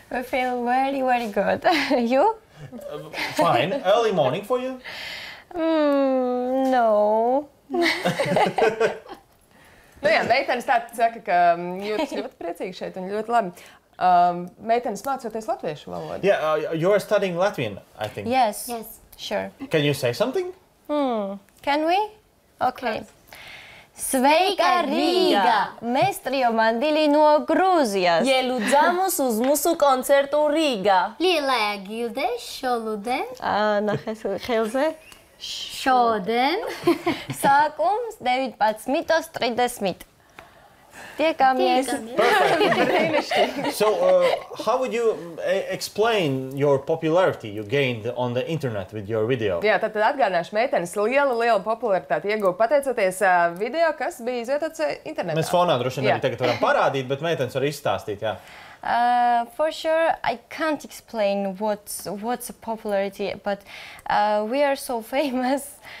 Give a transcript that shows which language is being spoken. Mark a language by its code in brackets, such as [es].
[en] We feel very, very good. You? Fine. Early morning for you? No. [lv] Nu jā, meitenes tā saka, ka jūtas ļoti priecīgi šeit un ļoti labi. Meitenes mācoties latviešu valodu. [en] Yeah, you are studying Latvian, I think. Yes. Yes. Sure. Can you say something? Can we? Okay. [lv] Sveika Rīga! Mēs trio mandili no Grūzijas. Ielūdzamus uz mūsu koncertu Rīga. Lielajā gildē šoluden. Na helze. Šoden. Sākums 19.30. Tiekamies. [en] Perfect. So, how would you explain your popularity you gained on the internet with your video? [lv] Jā, tad atgādināšu meitenes lielu, lielu popularitāti ieguva pateicoties video, kas bija izvietots internetā. Mēs fonā droši vien arī tagad varam parādīt, bet meitenes var izstāstīt, jā. [en] For sure, I can't explain what's the popularity, but we are so famous.